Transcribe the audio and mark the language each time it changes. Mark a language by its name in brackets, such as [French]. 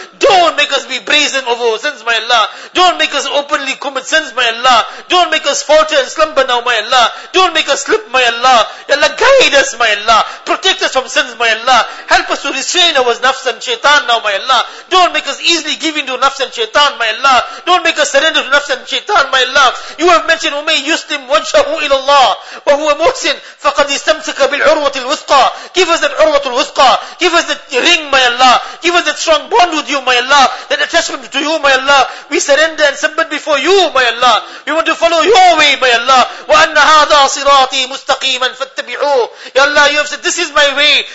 [English] Don't make us be brazen over our sins, my Allah. Don't make us openly commit sins, my Allah. Don't make us falter and slumber now, my Allah. Don't make us slip, my Allah. Ya Allah, guide us, my Allah. Protect us from sins, my Allah. Help us to restrain our nafs and shaitan now, my Allah. Don't make us easily give in to nafs and shaitan, my Allah. Don't make us surrender to nafs and shaitan, my Allah. You have mentioned, [Arabic] وَمَنْ يُسْلِمْ وَجْهَهُ إِلَى اللَّهِ وَهُوَ مُحْسِنْ فَقَدْ يَسْتَمْسَكَ بِالْعُرْوَةِ الْوُثْقَى. [English] Give us that [Arabic] عُرْوَةُ الْوُثْقَى. [English] Give us that ring, my Allah. Give us that strong bond with you, my Allah. That attachment to you, my Allah. We surrender and submit before you, my Allah. We want to follow your way, my Allah. [Arabic] وَأَنَّ هَذَا صِرَاطِي مُسْتَقِيمًا فَاتَّبِعُوهُ. [English] Ya Allah, you have said, this is my way.